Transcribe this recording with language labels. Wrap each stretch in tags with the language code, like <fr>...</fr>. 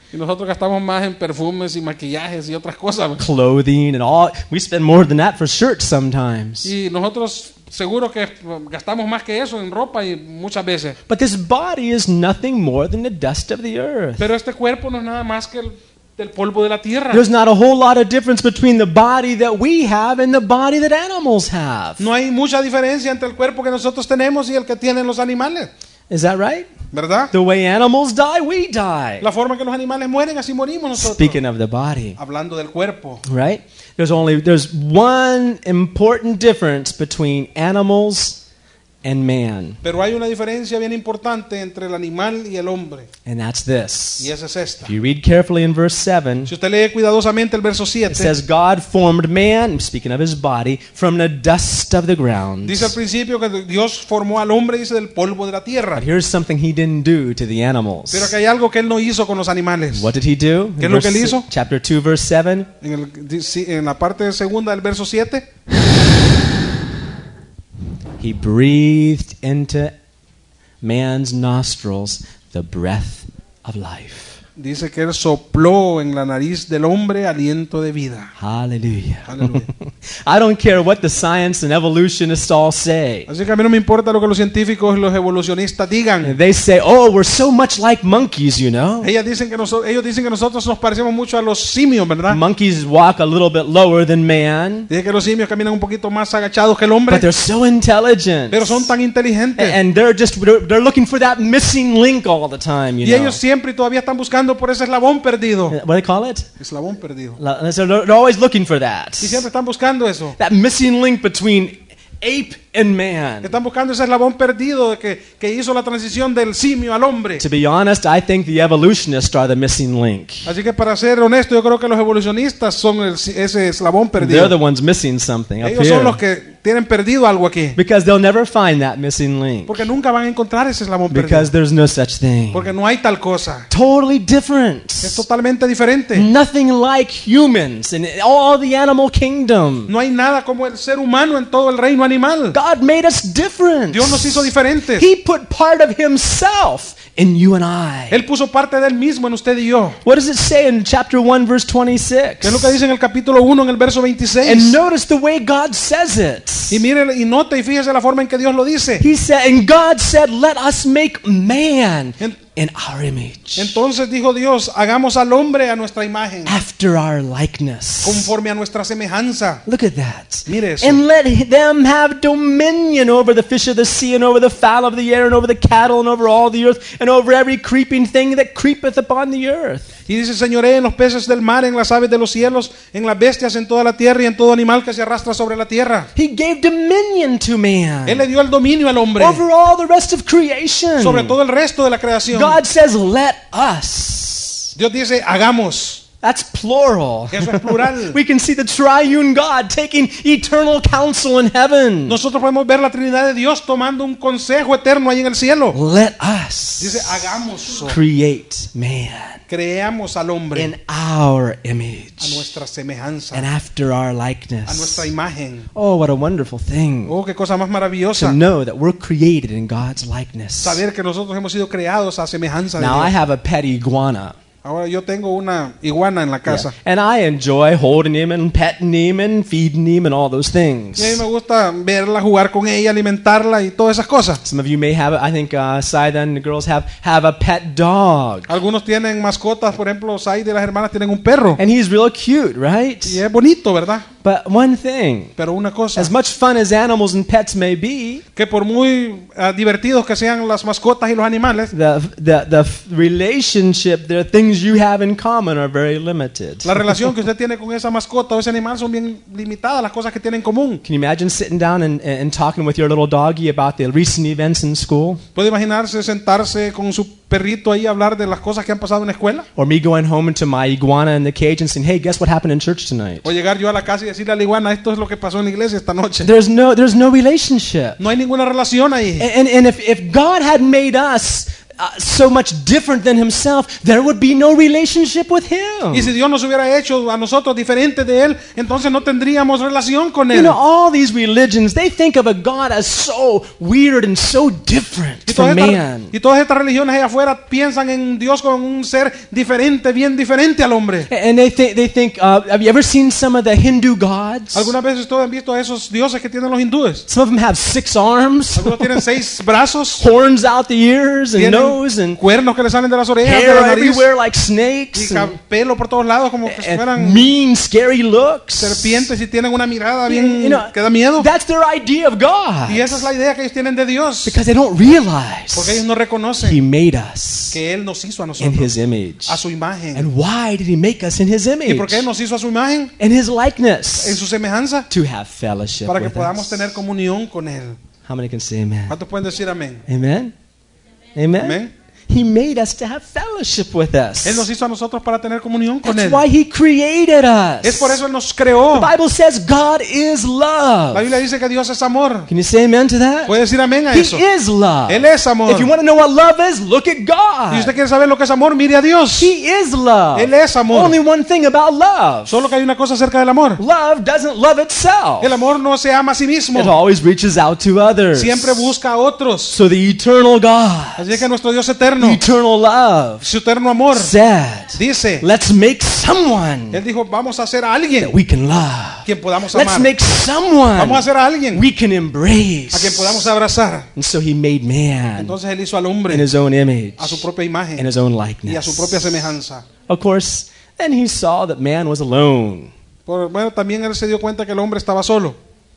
<es>Y nosotros gastamos más en perfumes y maquillajes y otras cosas.</es> <en>Clothing and all. We spend more than that for shirts sometimes.</en> <es>Y nosotros seguro que gastamos más que eso en ropa y muchas veces.</es> <en>But this body is nothing more than the dust of the earth.</en> <es>Pero este cuerpo no es nada más que el polvo de la tierra.</es> <en>There's not a whole lot of difference between the body that we have and the body that animals have.</en> <es>No hay mucha diferencia entre el cuerpo que nosotros tenemos y el que tienen los animales.</es> <en>Is that right?</en> <es>¿Verdad?</es> <en>The way animals die, we die.</en> <es>La forma que los animales mueren, así morimos nosotros.</es> <en>Speaking of the body.</en> <es>Hablando del cuerpo.</es> <en>Right? There's one important difference between animals and man.</en> <es>Pero hay una diferencia bien importante entre el animal y el hombre.</es> <en>And that's this.</en> <es>Y esa es esta.</es> <en>If you read carefully in verse 7,</en> <es>si usted lee cuidadosamente el verso 7,</es> <en>it says God formed man, speaking of his body, from the dust of the ground.</en> <es>Dice al principio que Dios formó al hombre, dice, del polvo de la tierra.</es> <en>But here's something he didn't do to the animals.</en> <es>Pero que hay algo que él no hizo con los animales.</es> <en>What did he do?</en> <es>¿Qué es lo que él hizo?</es> <en>Chapter 2 verse 7.</en> <es>En la parte segunda del verso 7.</es> <en>He breathed into man's nostrils the breath of life.</en> <es>Dice que él sopló en la nariz del hombre aliento de vida.</es> <en>Hallelujah.</en> <es>Hallelujah.</es> <en>I don't care what the science and evolutionists all say.</en> <es>Así que a mí no me importa lo que los científicos y los evolucionistas digan.</es> <en>They say, oh, we're so much like monkeys, you know.</en> <es>Ellos dicen que nosotros nos parecemos mucho a los simios, ¿verdad?</es> <en>Monkeys walk a little bit lower than man.</en> <es>Dice que los simios caminan un poquito más agachados que el hombre.</es> <en>But they're so intelligent.</en> <es>Pero son tan inteligentes.</es> <en>And they're looking for that missing link all the time, you know.</en> <es>Y ellos siempre y todavía están buscando por ese eslabón perdido.</es> <en>What do you call it?</en> <es>Eslabón perdido.</es> <en>They're always looking for that.</en> <es>Y siempre están buscando eso.</es> <en>That missing link between ape and man.</en> <es>Están buscando ese eslabón perdido que hizo la transición del simio al hombre.</es> <en>To be honest, I think the evolutionists are the missing link.</en> <es>Así que para ser honesto, yo creo que los evolucionistas son ese eslabón perdido.</es> <en>They're the ones missing something up here.</en> <es>Ellos son los que tienen perdido algo aquí.</es> <en>Because they'll never find that missing link.</en> <es>Porque nunca van a encontrar ese eslabón perdido.</es> <en>Because there's no such thing.</en> <es>Porque no hay tal cosa.</es> <en>Totally different.</en> <es>Es totalmente diferente.</es> <en>Nothing like humans in all the animal kingdom.</en> <es>No hay nada como el ser humano en todo el reino animal.</es> <en>God made us different.</en> <es>Dios nos hizo diferentes.</es> <en>He put part of himself in you and I.</en> <es>Él puso parte de él mismo en usted y yo.</es> <en>What does it say in chapter 1 verse 26?</en> <es>¿Qué es lo que dice en el capítulo 1 en el verso 26?</es> <en>And notice the way God says it.</en> <es>Y mire y note y fíjese la forma en que Dios lo dice.</es> <en>He said, and God said, let us make man in our image.</en> <es>Entonces dijo Dios, hagamos al hombre a nuestra imagen.</es> <en>After our likeness.</en> <es>Conforme a nuestra semejanza.</es> <en>Look at that.</en> <es>Mire eso.</es> <en>And let them have dominion over the fish of the sea and over the fowl of the air and over the cattle and over all the earth and over every creeping thing that creepeth upon the earth.</en> <es>Y dice, señoree en los peces del mar, en las aves de los cielos, en las bestias, en toda la tierra y en todo animal que se arrastra sobre la tierra.</es> <en>He gave dominion to man.</en> <es>Él le dio el dominio al hombre.</es> <en>Over all the rest of creation.</en> <es>Sobre todo el resto de la creación.</es> <en>God says, let us.</en> <es>Dios dice, hagamos.</es> <en>That's plural.</en> <es>Eso es plural.</es> <en>We can see the triune God taking eternal counsel in heaven.</en> <es>Nosotros podemos ver la Trinidad de Dios tomando un consejo eterno ahí en el cielo.</es> <en>Let us.</en> <es>Dice, hagamos.</es> <en>Create man.</en> <es>Creamos al hombre.</es> <en>In our image.</en> <es>A nuestra semejanza.</es> <en>And after our likeness.</en> <es>A nuestra imagen.</es> <en>Oh, what a wonderful thing.</en> <es>Oh, qué cosa más maravillosa.</es> <en>To know that we're created in God's likeness.</en> <es>Saber que nosotros hemos sido creados a semejanza de</es> <en>Now,</en> <es>Dios.</es> <en>Now I have a pet iguana.</en> <es>Ahora yo tengo una iguana en la casa.</es> <en>Yeah. And I enjoy holding him and petting him and feeding him and all those things.</en> <es>Y a mí me gusta verla jugar con ella, alimentarla y todas esas cosas.</es> <en>Some of you may have, I think, Saida and the girls have a pet dog.</en> <es>Algunos tienen mascotas, por ejemplo, Saida y las hermanas tienen un perro.</es> <en>And he's real cute, right?</en> <es>Y es bonito, ¿verdad?</es> <en>But one thing.</en> <es>Pero una cosa.</es> <en>As much fun as animals and pets may be.</en> <es>Que por muy divertidos que sean las mascotas y los animales.</es> <en>The relationship, the things you have in common are very limited.</en> <es>La relación que usted tiene con esa mascota o ese animal son bien limitadas las cosas que tienen en común.</es> <en>Can you imagine sitting down and talking with your little doggy about the recent events in school?</en> <es>¿Puede imaginarse sentarse con su perrito ahí hablar de las cosas que han pasado en la escuela.</es> <en>Or me going home into my iguana in the cage and saying, hey, guess what happened in church tonight.</en> <es>O llegar yo a la casa y decirle a la iguana, esto es lo que pasó en la iglesia esta noche.</es> <en>There's no relationship.</en> <es>No hay ninguna relación ahí.</es> <en>And if God had made us so much different than himself, there would be no relationship with him.</en> <es>Y si Dios nos hubiera hecho a nosotros diferente de él, entonces no tendríamos relación con él.</es> <en>You know, all these religions, they think of a God as so weird and so different from man.</en> <es>Y todas estas religiones allá afuera piensan en Dios como un ser diferente, bien diferente al hombre.</es> <en>And they think, have you ever seen some of the Hindu gods?</en> <es>¿Alguna vez ustedes han visto esos dioses que tienen los hindúes?</es> <en>Some of them have six arms.</en> <es>Algunos tienen seis brazos.</es> <en>Horns out the ears and nose and</en> <es>cuernos que le salen de las orejas,</es> <en>hair</en> <es>de la nariz,</es> <en>everywhere like snakes,</en> <es>y pelo por todos lados como que fueran</es> <en>mean, scary looks,</en> <es>serpientes y tienen una mirada bien,</es> <en>you know,</en> <es>que da miedo.</es> <en>That's their idea of God.</en> <es>Y esa es la idea que ellos tienen de Dios.</es> <en>Because they don't realize,</en> <es>porque ellos no reconocen,</es> <en>he made us</en> <es>que él nos hizo a nosotros</es> <en>in his image,</en> <es>a su imagen.</es> <en>And why did he make us in his image?</en> <es>Y por qué nos hizo a su imagen,</es> <en>in his likeness,</en> <es>en su semejanza,</es> <en>to have fellowship,</en> <es>para que</es> <en>with</en> <es>podamos</es> <en>us</en> <es>tener comunión con él.</es> <en>How many can say amen?</en> <es>¿Cuántos pueden decir amén?</es> <en>Amen.</en> <es>Amen. Amen.</es> <en>He made us to have fellowship with us.</en> <es>Él nos hizo a nosotros para tener comunión con</es> <en>That's</en> <es>él.</es> <en>Why he created us.</en> <es>Es por eso él nos creó.</es> <en>The Bible says God is love.</en> <es>La Biblia dice que Dios es amor.</es> <en>Can you say amen to that?</en> <es>¿Puedes decir amén a</es> <en>he</en> <es>eso?</es> <en>He is love.</en> <es>Él es amor.</es> <en>If you want to know what love is, look at God.</en> <es>Si usted quiere saber lo que es amor, mire a Dios.</es> <en>He is love.</en> <es>Él es amor.</es> <en>Only one thing about love.</en> <es>Solo que hay una cosa acerca del amor.</es> <en>Love doesn't love itself.</en> <es>El amor no se ama a sí mismo.</es> <en>It always reaches out to others.</en> <es>Siempre busca a otros.</es> <en>So the eternal God.</en> <es>Así que nuestro Dios eterno.</es> <en>Eternal love.</en> <es>Su eterno amor.</es> <en>Said,</en> <es>dice,</es> <en>let's make someone.</en> <es>Él dijo, vamos a hacer a alguien.</es> <en>That we can love.</en> <es>Quien podamos amar.</es> <en>Let's make someone.</en> <es>Vamos a hacer a alguien.</es> <en>We can embrace.</en> <es>A quien podamos abrazar.</es> <en>And so he made man.</en> <es>Entonces él hizo al hombre.</es> <en>In his own image.</en> <es>A su propia imagen.</es> <en>In his own likeness.</en> <es>Y a su propia semejanza.</es> <en>Of course, then he saw that man was alone.</en> <es>Pero, bueno, también él se dio cuenta que el hombre estaba solo.</es>